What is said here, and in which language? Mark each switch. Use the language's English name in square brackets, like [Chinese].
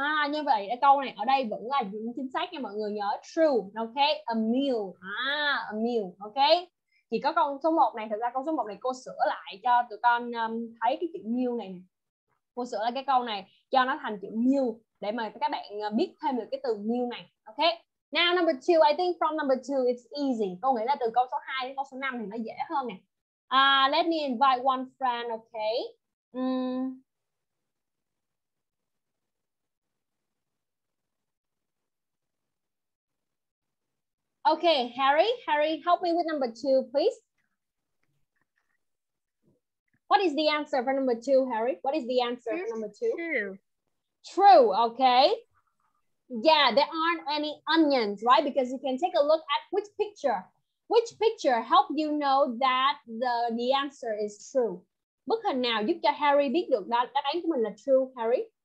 [Vietnamese] Như vậy câu này ở đây vẫn là chính xác nha mọi người, nhớ [English] true, okay, a meal, okay. [Vietnamese] Chỉ có con số 1 này, thực ra con số 1 này cô sửa lại cho tụi con thấy cái chữ meal này. Cô sửa lại cái câu này cho nó thành chữ meal để mà các bạn biết thêm được cái từ meal này. [English] Okay. Now number 2, I think from number 2 it's easy. [Vietnamese] Cô nghĩ là từ câu số 2 đến câu số 5 thì nó dễ hơn nè. [English] Let me invite one friend, okay? Okay, Harry, help me with number 2, please. What is the answer for number 2, Harry? What is the answer for number 2? True, okay. Yeah, there aren't any onions, right? Because you can take a look at which picture. Which picture help you know that the answer is true? [Vietnamese] Bức hình nào giúp cho Harry biết được đáp án của mình là true, Harry?